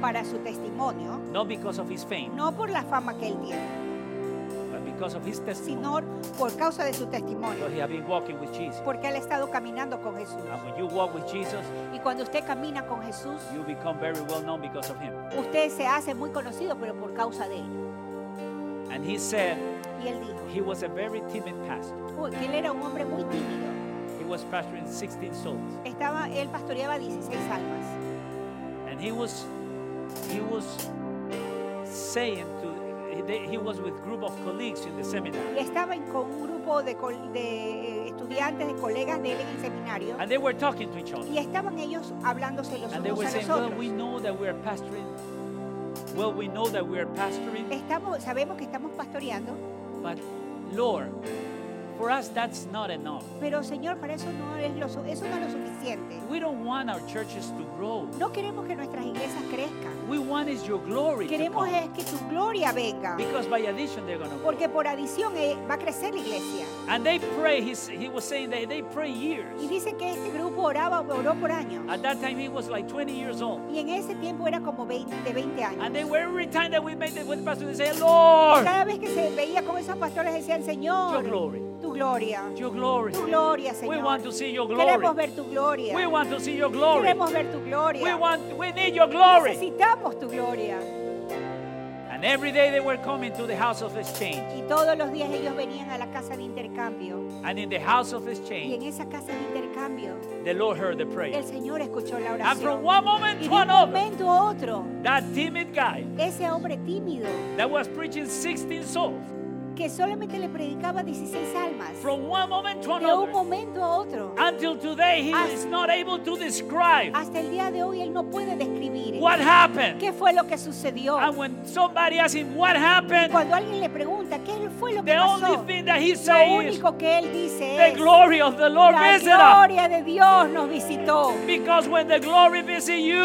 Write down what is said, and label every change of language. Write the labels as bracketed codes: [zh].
[es] Para su testimonio. [en] Not because of his fame. [es] No por la fama que él tiene. [en] Because of his testimony. [es] Sino por causa de su testimonio. [en] Because he has been walking with Jesus. [es] Porque él ha estado caminando con Jesús. [en] And when you walk with Jesus, [es] y cuando usted camina con Jesús, [en] you become very well known because of him. [es] Usted se hace muy conocido, pero por causa de él. [en] And he said, [es] y él dijo, [en] he was a very timid pastor. [es] Que él era un hombre muy tímido. [en] He was pastoring 16 souls. [es] Estaba, él pastoreaba 16 almas. [en] And he was saying to he was with group of colleagues in the seminar. [es] Y estaba con un grupo de estudiantes, de colegas de él en el seminario. [en] And they were talking to each other. [es] Y estaban ellos hablándose los [en] and [es] unos a los otros. [en] Well, we know that we are pastoring. Well, we know that we are pastoring. [es] Estamos, sabemos que estamos pastoreando. [en] But Lord, for us that's not enough. [es] Pero Señor, para eso no es lo eso no es lo suficiente. [en] We don't want our churches to grow. [es] No queremos que nuestras iglesias crezcan. [en] We want is your glory. [es] Queremos [en] to come. [es] Es que tu gloria venga. [en] Because by addition they're going to grow. [es] Porque por adición va a crecer la iglesia. [en] And they pray. He was saying that they pray years. [es] Y dice que este grupo oró por años. [en] At that time he was like 20 years old. [es] Y en ese tiempo era como 20 años. [en] And they were every time that we met with the pastor, they say, Lord. [es] Y cada vez que se veía con esos pastores decían, Señor. [en] Your glory. [es] Tu gloria. [en] Your glory. [es] Tu gloria, Señor. [en] We want to see your glory. [es] Queremos ver tu gloria. [en] We want to see your glory. [es] Queremos ver tu gloria. [en] We need your glory. [es] Necesitamos tu gloria. [en] And every day they were coming to the house of exchange. [es] Y todos los días ellos venían a la casa de intercambio. [en] And in the house of exchange. [es] Y en esa casa de intercambio. [en] The Lord heard the prayer. [es] El Señor escuchó la oración. [en] And from one moment to another. [es] Y de un momento a otro. [en] That timid guy. [es] Ese hombre tímido. [en] That was preaching 16 souls. [es] Que solamente le predicaba 16 almas. [en] From one moment to another. [es] De un momento a otro. [en] Until today he is not able to describe. [es] Hasta el día de hoy él no puede describir. [en] What happened? [es] ¿Qué fue lo que sucedió? [en] And when somebody asks him what happened. [es] Cuando alguien le pregunta qué fue lo que [en] the [es] pasó. [en] The only thing that he says. [es] Lo único que él dice [en] the [es] es. [en] Glory of the Lord visited us. [es] La gloria de Dios nos visitó. [en] Because when the glory visits you.